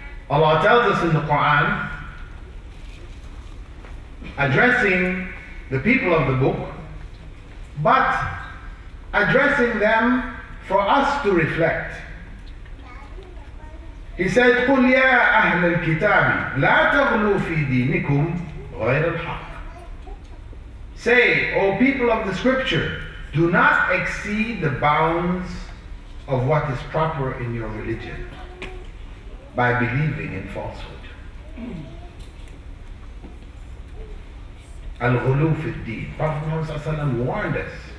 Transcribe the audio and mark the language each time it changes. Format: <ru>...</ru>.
<en>Allah tells us in the Quran, addressing the people of the book, but addressing them for us to reflect. He said,</en> <ar>قُلْ يَا أَهْلَ الْكِتَابِ لَا تَغْلُوا فِي دِينِكُمْ غَيْرَ الْحَقِّ.</ar> <en>Say, O people of the scripture, do not exceed the bounds of what is proper in your religion by believing in falsehood.</en> <ar>Al-ghuluu fi al-deen.</ar> <en>Prophet Muhammad ﷺ warned us.</en>